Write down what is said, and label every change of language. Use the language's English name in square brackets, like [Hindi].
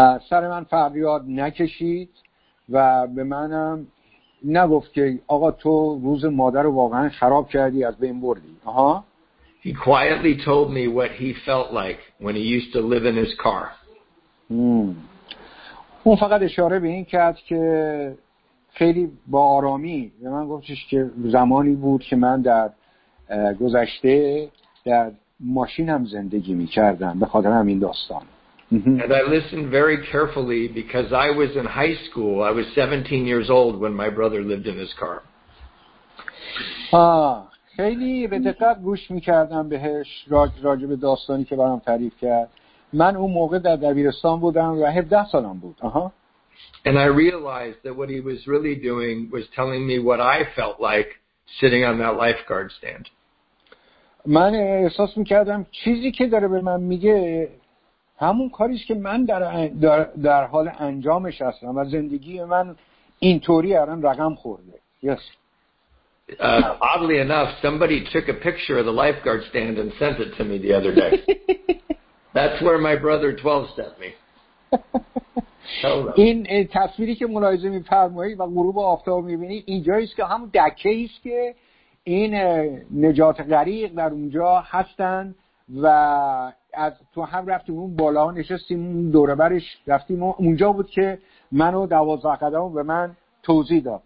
[Persian] سر من فریاد نکشید و به منم نگفت که آقا تو روز مادر رو واقعا خراب کردی، از بین بردی. [English] He quietly told me what he felt like when he used to live in his car. [Persian] اون فقط اشاره به این کرد که خیلی با آرامی به من گفتش که زمانی بود که من در گذشته در ماشینم زندگی می کردم به خاطر همین داستان. [English] And I listened very carefully because I was in high school. I was 17 years old when my brother lived in his car. [Persian] خیلی به دقت گوش می کردم بهش راجع به داستانی که برام تعریف کرد. من اون موقع در دبیرستان بودم و 17 سالم بود. [English] And I realized that what he was really doing was telling me what I felt like sitting on that lifeguard stand. [Persian] من احساس می‌کردم چیزی که داره به من میگه همون کاریه که من در حال انجامش هستم و زندگی من اینطوری الان رقم خورده. [English] Yes. Oddly enough, somebody took a picture of the lifeguard stand and sent it to me the other day. That's where my brother 12 sent me. [Persian] این تصویری که ملاحظه می‌فرمایید و غروب آفتاب می‌بینید اینجایی است که هم دکه‌ای است که این نجات غریق در اونجا هستن و از تو هم رفتیم اون بالا نشستیم اون دوره برش رفتیم اونجا بود که منو 12 قدم به من توضیح داد.